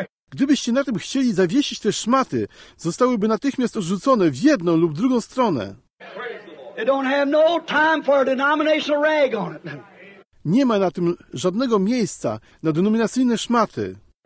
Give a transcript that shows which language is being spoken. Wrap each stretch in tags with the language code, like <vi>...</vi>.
<pl>Gdybyście na tym chcieli zawiesić te szmaty, zostałyby natychmiast odrzucone w jedną lub drugą stronę.</pl> <en>It don't have no time for a denominational rag on it.</en> <pl>Nie ma na tym żadnego miejsca na denominacyjne szmaty.</pl>